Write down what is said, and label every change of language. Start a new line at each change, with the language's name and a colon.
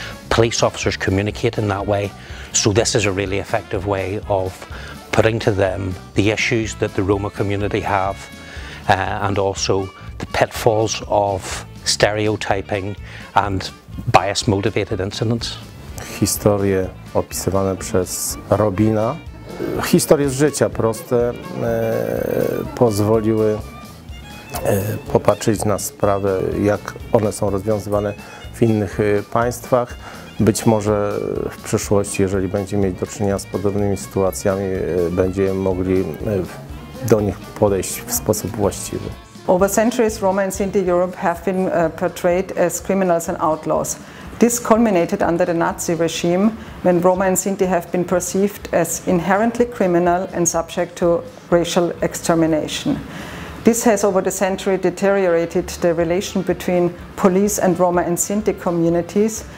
English: Police officers communicate in that way. So this is a really effective way of putting to them the issues that the Roma community have and also the pitfalls of stereotyping and bias-motivated incidents.
Polish: Historie opisywane przez Robina, historie z życia proste pozwoliły popatrzeć na sprawę, jak one są rozwiązywane w innych państwach. Być może w przyszłości, jeżeli będziemy mieć do czynienia z podobnymi sytuacjami, będziemy mogli do nich podejść w sposób właściwy.
English: Over centuries, Roma and Sinti Europe have been portrayed as criminals and outlaws. This culminated under the Nazi regime, when Roma and Sinti have been perceived as inherently criminal and subject to racial extermination. This has over the century deteriorated the relation between police and Roma and Sinti communities.